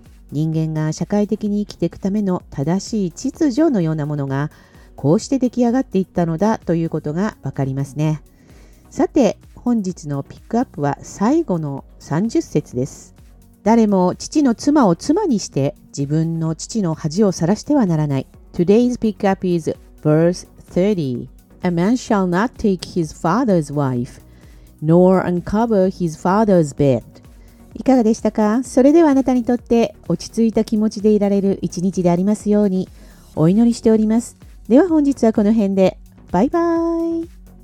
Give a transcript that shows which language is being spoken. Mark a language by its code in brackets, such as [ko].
[ja] 人間が社会的に生きていくための正しい秩序のようなものがこうして出来上がっていったのだということがわかりますね。さて本日のピックアップは最後の30節です。誰も父の妻を妻にして自分の父の恥をさらしてはならない。 [en] Today's pick up is verse 30. A man shall not take his father's wife, nor uncover his father's bed. [ja] いかがでしたか？それではあなたにとって落ち着いた気持ちでいられる一日でありますようにお祈りしております。では本日はこの辺で。バイバイ。